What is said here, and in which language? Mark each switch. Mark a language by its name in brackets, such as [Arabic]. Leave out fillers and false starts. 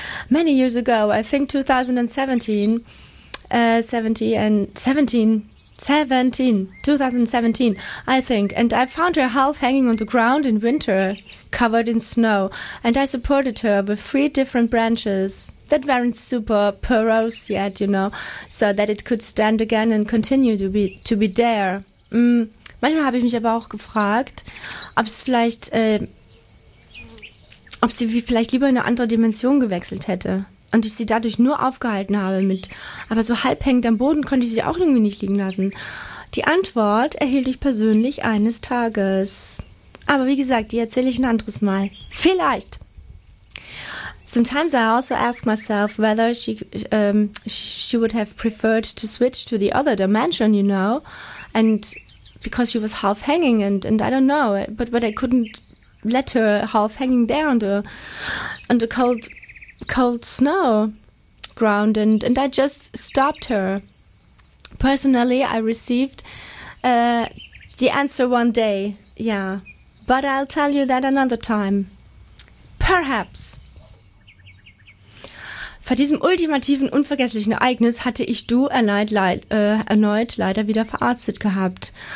[English] Many years ago, I think 2017, and I found her half hanging on the ground in winter, covered in snow, and I supported her with three different branches that weren't super porous yet, you know, so that it could stand again and continue to be there. [German] Manchmal habe ich mich aber auch gefragt, ob sie vielleicht lieber in eine andere Dimension gewechselt hätte. Und ich sie dadurch nur aufgehalten habe mit, aber so halb hängend am Boden konnte ich sie auch irgendwie nicht liegen lassen. Die Antwort erhielt ich persönlich eines Tages. Aber wie gesagt, die erzähle ich ein anderes Mal. Vielleicht. [English] Sometimes I also ask myself whether she would have preferred to switch to the other dimension, you know. And because she was half hanging and I don't know. But I couldn't let her half hanging there on the cold snow ground and I just stopped her. Personally, I received the answer one day, yeah, but I'll tell you that another time, perhaps. [German] Vor diesem ultimativen, unvergesslichen Ereignis hatte ich Du erneut leider wieder verarztet gehabt.